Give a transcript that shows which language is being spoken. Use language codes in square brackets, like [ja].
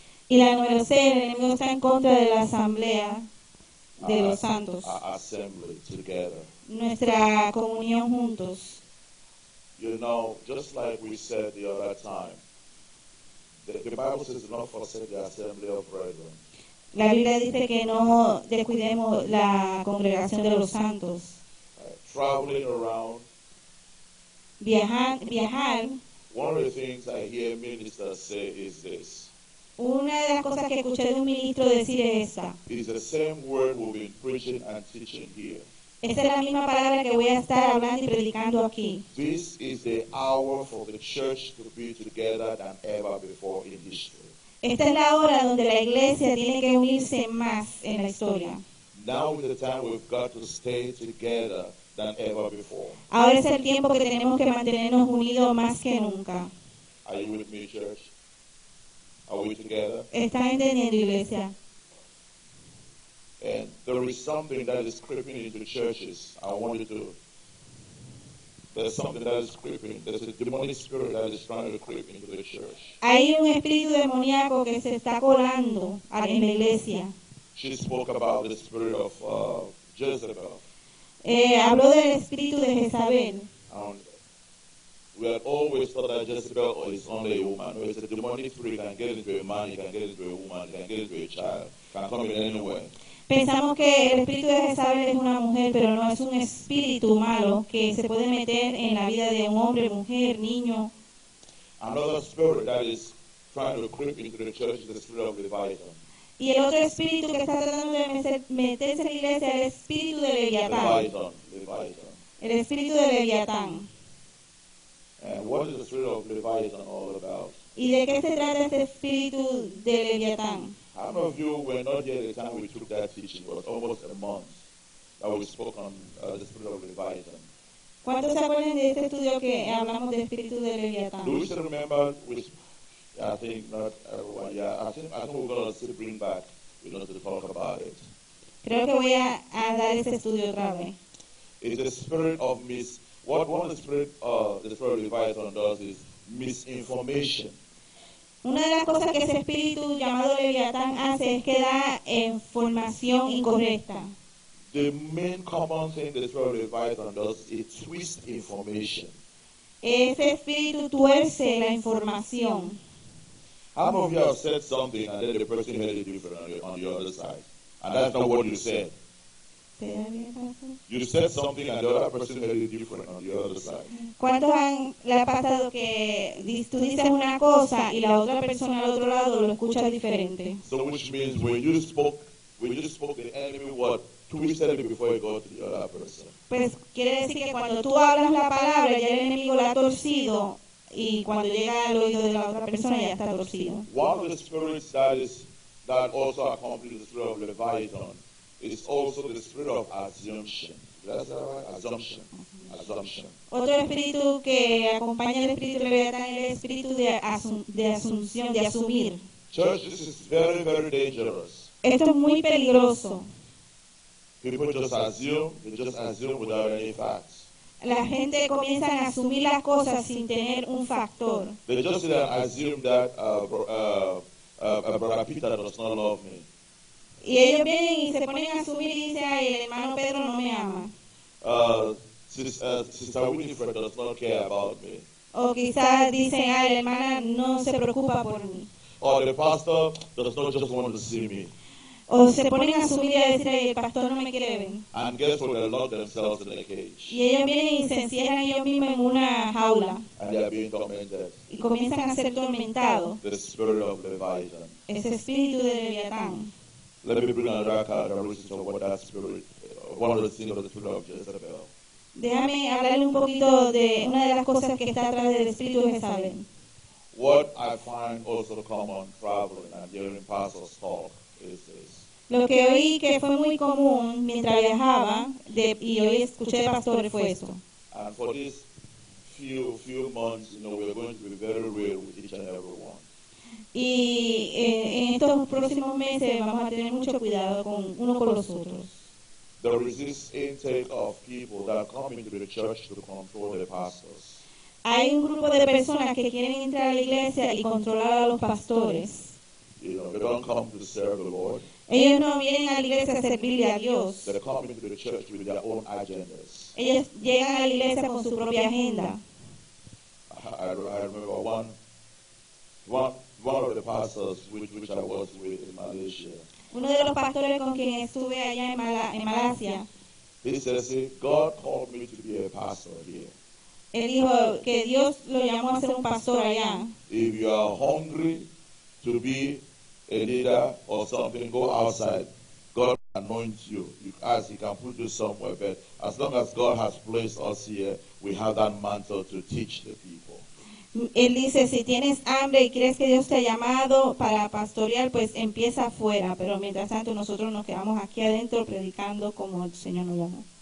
[es] Y la número seis, el enemigo está en contra de la asamblea de los santos. [en] Assembly together. [es] Nuestra comunión juntos. [en] You know, just like we said the other time. The Bible says not forsake the assembly of brethren. [es] La Biblia dice que no descuidemos la congregación de los santos. [en] Traveling around. [es] Viajar. [en] One of the things I hear ministers say is this. [es] Una de las cosas que escuché de un ministro decir es esta. [en] It is the same word we've been preaching and teaching here. [es] Esta es la misma palabra que voy a estar hablando y predicando aquí. [en] This is the hour for the church to be together than ever before in history. [es] Esta es la hora donde la iglesia tiene que unirse más en la historia. [en] Now is the time we've got to stay together than ever before. [es] Ahora es el tiempo que tenemos que mantenernos unidos más que nunca. [en] Are you with me, church? Are we together? [es] ¿Están entendiendo, iglesia? [en] And there is something that is creeping into churches. I want you to. There's something that is creeping. There's a demonic spirit that is trying to creep into the church. [es] Hay un espíritu demoníaco que se está colando en la iglesia. [en] She spoke about the spirit of Jezebel. [es] Habló del espíritu de Jezabel. [en] And we have always thought that Jezebel is only a woman. It's a demonic spirit that can get into a man, it can get into a woman, it can get into a child, it can come in anywhere. [es] Pensamos que el espíritu de Jezabel es una mujer, pero no, es un espíritu malo que se puede meter en la vida de un hombre, mujer, niño. [en] Another spirit that is trying to creep into the church is the spirit of Leviathan. [es] Y el otro espíritu que está tratando de meterse en la iglesia es el espíritu de Leviatán. [en] Leviathan. [es] El espíritu de Leviatán. [en] And what is the spirit of Leviathan all about? [es] ¿Y de qué se trata este espíritu de Leviatán? [en] How many of you were not here at the time we took that teaching? It was almost a month that we spoke on the spirit of Leviathan. [es] ¿Cuántos se acuerdan de este estudio que hablamos del espíritu de Leviatán? [en] Do you still remember? I think not everyone. Yeah, I think we're going to still bring back, you know, to talk about it. [es] Creo que voy a dar ese estudio otra vez. [en] It's the spirit of what one of the spirit of Leviathan does is misinformation. [es] Una de las cosas que ese espíritu llamado Leviatán hace es que da información incorrecta. [en] The main common thing the spirit of Leviathan does is twist information. [es] Ese espíritu tuerce la información. [en] How many of you have said something and then the person heard it different on the other side? And that's not what you said. You said something and the other person heard it different on the other side. [es] ¿Cuántos han le ha pasado que tú dices una cosa y la otra persona al otro lado lo escucha diferente? [en] So which means when you spoke the enemy word twisted it before it got to the other person. [es] Pues quiere decir que cuando tú hablas la palabra ya el enemigo la ha torcido y cuando llega al oído de la otra persona ya está torcido. [en] One of the spirits that also accompanies the spirit of Leviathan. It's also the spirit of assumption. That's right. Assumption. Mm-hmm. Assumption. [es] Otro espíritu que acompaña el espíritu de Leviatán es el espíritu de asunción, de asumir. [en] Church, this is very, very dangerous. [es] Esto es muy peligroso. [en] People just assume. They just assume without any facts. [es] La gente comienza a asumir las cosas sin tener un factor. [en] They just assume that Brother Peter does not love me. [es] Y ellos vienen y se ponen a subir y dicen, ay, el hermano Pedro no me ama. [en] Sister Winifred does not care about me. [es] O quizás dicen, ay, la hermana no se preocupa por mí. [en] Or the pastor does not just want to see me. [es] O se ponen a subir y a decir, ay, el pastor no me quiere ver. [en] And guess what, they lock themselves in a cage. [es] Y ellos vienen y se encierran ellos mismos en una jaula. [en] And they are being tormented. [es] Y comienzan a ser tormentados. [en] The spirit of Leviathan. [es] Ese espíritu de Leviatán. [en] Let me bring another characteristic of what that spirit, one of the things of the spirit of Jezebel. [es] Déjame hablarle un poquito de una de las cosas que está atrás del espíritu de Jezabel. [en] What I find also common traveling and during pastors' talk is this. [es] Lo que oí que fue muy común mientras viajaba y hoy escuché de pastores fue eso. [en] And for these few months, you know, we're going to be very real with each and every one. [es] Y en estos próximos meses vamos a tener mucho cuidado con uno con los otros. [en] There is this intake of people that are coming to the church to control the pastors. [es] Hay un grupo de personas que quieren entrar a la iglesia y controlar a los pastores. [en] You know, they don't come to serve the Lord. [es] Ellos no vienen a la iglesia a servirle a Dios. [en] They're coming to the church with their own agendas. [es] Ellos llegan a la iglesia con su propia agenda. [en] I remember one of the pastors which I was with in Malaysia. [es] Uno de los pastores con quien estuve allá en Malasia. [en] He said, God called me to be a pastor here. [es] Él dijo que Dios lo llamó a ser un pastor allá. [en] If you are hungry to be a leader or something, go outside. God anoints you. He can put you somewhere. But as long as God has placed us here, we have that mantle to teach the people. [es] Él dice, si tienes hambre y crees que Dios te ha llamado para pastorear, pues empieza afuera. Pero mientras tanto, nosotros nos quedamos aquí adentro predicando como el Señor nos llama.